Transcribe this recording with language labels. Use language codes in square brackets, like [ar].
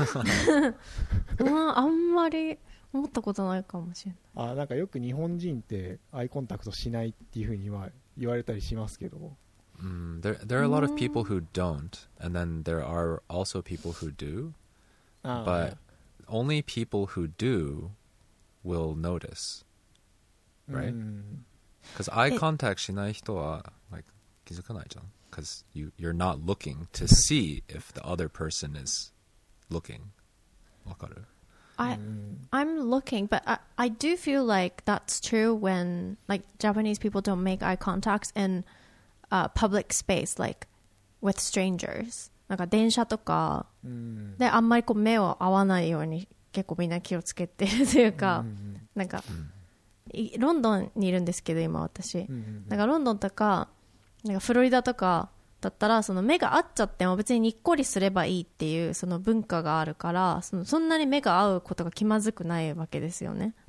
[ja] 、まあ、あんまり思ったことないかもしれない。あなんかよく日本人ってアイコンタクトしないっていうふうには言われたりしますけど、 [en] There are a lot of people who don't and then there are also people who do but only people who do will notice right? Because [ja] eye contact しない人は気づかないじゃん。 [en] Because you're not looking to see if the other person is looking. [ja] わかる? [en] I'm looking, but I do feel like that's true when like Japanese people don't make eye contacts in public space, like with strangers. [ja] なんか電車とか、であんまりこう目を合わないように結構みんな気をつけてるというか、なんかロンドンにいるんですけど今私、なんかロンドンとかなんかフロリダとかだったらその目が合っちゃっても別ににっこりすればいいっていうその文化があるからそんなに目が合うことが気まずくないわけですよね。